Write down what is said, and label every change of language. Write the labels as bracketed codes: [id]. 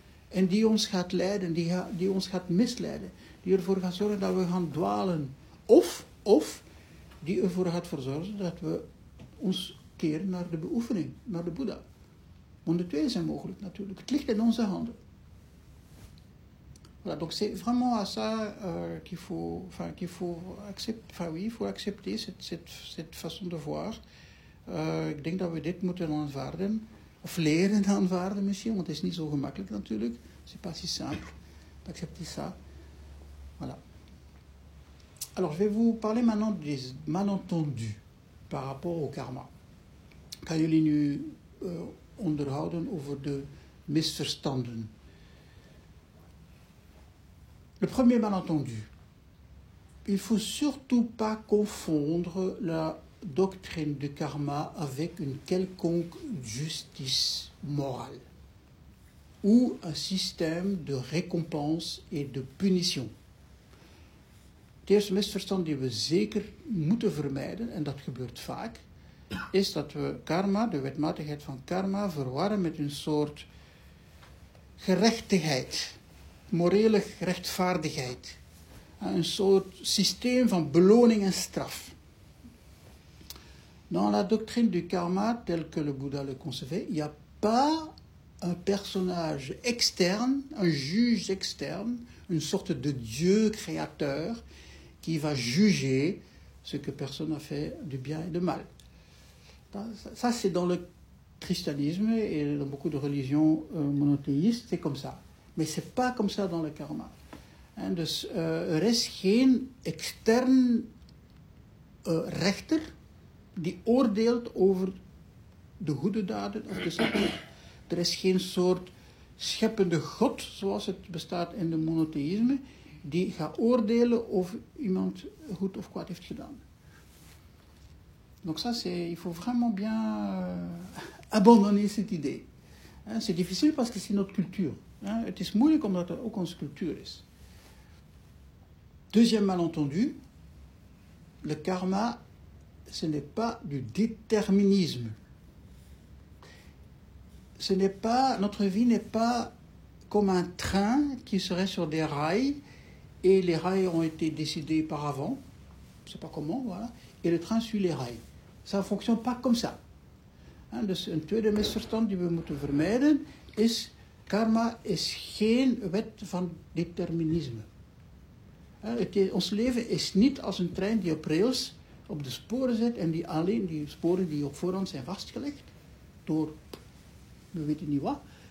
[nl] En die ons gaat leiden, die ons gaat misleiden. Die ervoor gaat zorgen dat we gaan dwalen. Of die ervoor gaat zorgen dat we ons keren naar de beoefening, naar de Boeddha. Want de twee zijn mogelijk natuurlijk. Het ligt in onze handen. [fr] Voilà, donc c'est vraiment à ça qu'il faut accepter cette façon de voir. [nl] Ik denk dat we dit moeten aanvaarden, of leren aanvaarden misschien, want het is niet zo gemakkelijk natuurlijk. [fr] C'est pas si simple d'accepter ça. Voilà. Alors, je vais vous parler maintenant des malentendus par rapport au karma. [nl] Kan jullie nu onderhouden over de misverstanden? Le premier malentendu, il ne faut surtout pas confondre la doctrine du karma avec une quelconque justice morale ou un système de récompense et de punition. Het eerste misverstand die we zeker moeten vermijden, en dat gebeurt vaak, is dat we karma, de wetmatigheid van karma, verwarren met een soort gerechtigheid. Morele rechtvaardigheid. Een soort systeem van beloning en straf. [fr] Dans la doctrine du karma, tel que le Bouddha le concevait, il n'y a pas un personnage externe, un juge externe, une sorte de dieu créateur qui va juger ce que personne a fait du bien et de mal. Ça, c'est dans le christianisme et dans beaucoup de religions monothéistes, c'est comme ça. Mais ce n'est pas comme ça dans le karma. [nl] Hein, dus, er is geen extern rechter die oordeelt over de goede daden of de slechte. Er is geen soort scheppende god, zoals het bestaat in de monotheïsme, die gaat oordelen of iemand goed of kwaad heeft gedaan. [fr] Donc ça, il faut vraiment bien abandonner cette idée. Hein, c'est difficile parce que c'est notre culture. [nl] Het is moeilijk omdat er ook onze cultuur is. [fr] Deuxième malentendu, le karma, ce n'est pas du déterminisme. Ce n'est pas, notre vie n'est pas comme un train qui serait sur des rails et les rails ont été décidés par avant, je ne sais pas comment, voilà, et le train suit les rails. Ça ne fonctionne pas comme ça. [nl] Hein, dus een tweede misverstand die we moeten vermijden is: karma is geen wet van determinisme. Ons leven is niet als een trein die op rails op de sporen zit en die alleen die sporen die op voorhand zijn vastgelegd door we weten niet wat.